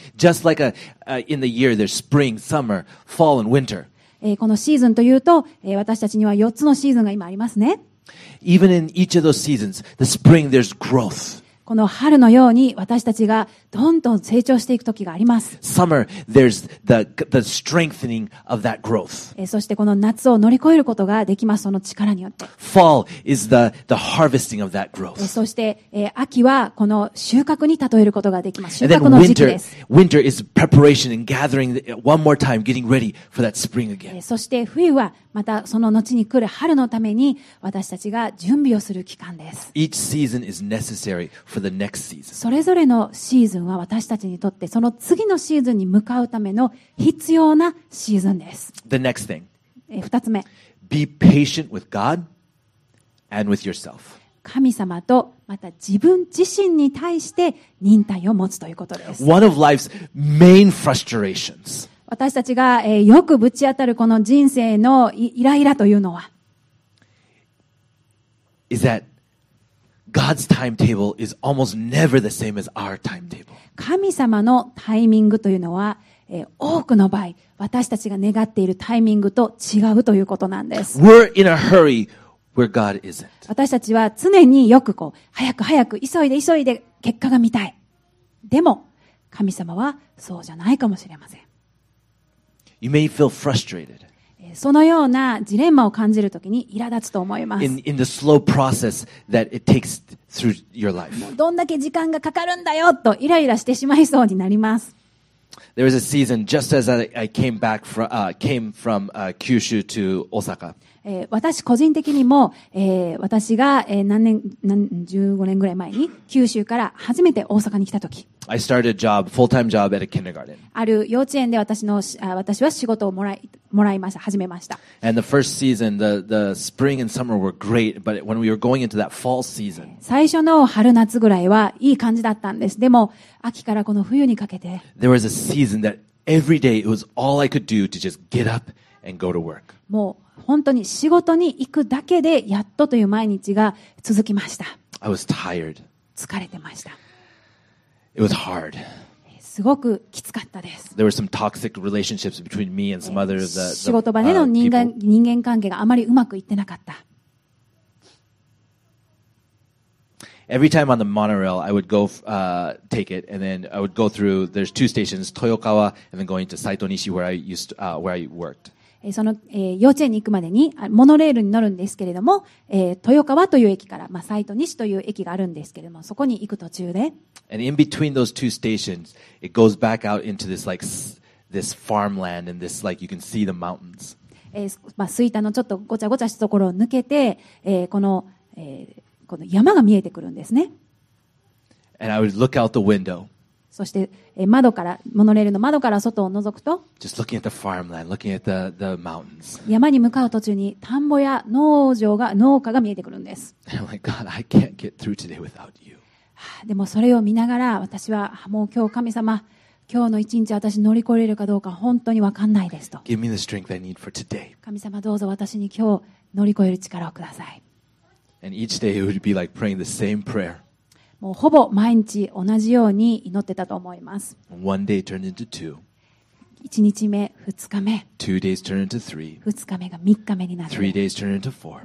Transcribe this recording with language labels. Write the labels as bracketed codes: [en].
[en] Just like in the year, there's spring, summer, fall, and winter. [ja] このシーズンというと、私たちには4つのシーズンが今ありますね。 [en] Even in each of those seasons, the spring there's growth. [ja] この春のように私たちがどんどん成長していく時があります。 [en] Summer, there's the strengthening of that growth. [ja] そしてこの夏を乗り越えることができます、その力によって。 [en] Fall is the harvesting of that growth. [ja] そして、秋はこの収穫に例えることができます。収穫の時期です。 [en] And then winter is preparation and gathering one more time, getting ready for that spring again. [ja] そして冬はまたその後に来る春のために私たちが準備をする期間です。 [en] Each season is necessary. For the next season. [ja] それぞれのシーズンは私たちにとってその次のシーズンに向かうための必要なシーズンです。 [en] The next thing. [ja] 二つ目。 [en] Be patient with God and with yourself. [ja] 神様とまた自分自身に対して忍耐を持つということです。 [en] One of life's main frustrations. [ja] 私たちがよくぶち当たるこの人生のイライラというのは、 [en] is that God's timetable is almost never the same as our timetable. [ja] 神様のタイミングというのは、多くの場合、私たちが願っているタイミングと違うということなんです。 [en] We're in a hurry where God isn't. [ja] 私たちは常によくこう、早く早く、急いで急いで結果が見たい。でも、神様はそうじゃないかもしれません。 [en] You may feel frustrated. [ja] そのようなジレンマを感じるときに苛立つと思います。 [en] In the slow process that it takes through your life. [ja] どんだけ時間がかかるんだよとイライラしてしまいそうになります。 [en] There was a season just as I came from Kyushu to Osaka. [ja] 私個人的にも、私が15年ぐらい前に九州から初めて大阪に来たとき。 [en] I started a job, full-time job at a kindergarten. [ja] ある幼稚園で私は仕事をもらいました、始めました。 [en] And the first season, the spring and summer were great, but when we were going into that fall season, [ja] 最初の春夏ぐらいはいい感じだったんです。でも秋からこの冬にかけて、 [en] There was a season that every day it was all I could do to just get up and go to work. [ja] もう本当に仕事に行くだけでやっとという毎日が続きました。 [en] I was tired. [ja] 疲れてました。 [en] It was hard. [ja] すごくきつかったです。 [en] There were some toxic relationships between me and some others that [ja] 仕事場での人間関係があまりうまくいってなかった。 [en] Every time on the monorail, I would go take it, and then I would go through. There's two stations, Toyokawa, and then going to Saito Nishi where I used where I worked. [ja] その幼稚園に行くまでにモノレールに乗るんですけれども、豊川という駅から、まあ、サイト西という駅があるんですけれども、そこに行く途中で、 [en] And in between those two stations, it goes back out into this like this farmland and this like you can see the mountains. [ja] まあ、スイタのちょっとごちゃごちゃしたところを抜けて、この山が見えてくるんですね。 [en] And I would look out the window. [ja] そして窓からモノレールの窓から外を覗くと、 [en] Just looking at the farmland, looking at the mountains. [ja] 山に向かう途中に田んぼや農家が見えてくるんです。 [en] Oh my God, I can't get through today without you. [ja] でもそれを見ながら私はもう今日神様、今日の一日私乗り越えるかどうか本当に分かんないですと。 [en] Give me the strength I need for today. [ja] 神様どうぞ私に今日乗り越える力をください。 [en] And each day it would be like praying the same prayer. [ja] もうほぼ毎日同じように祈ってたと思います。 [en] One day turned into two. [ja] 1日目、2日目。 [en] Two days turned into three. [ja] 2日目が3日目になって。 [en] Three days turned into four.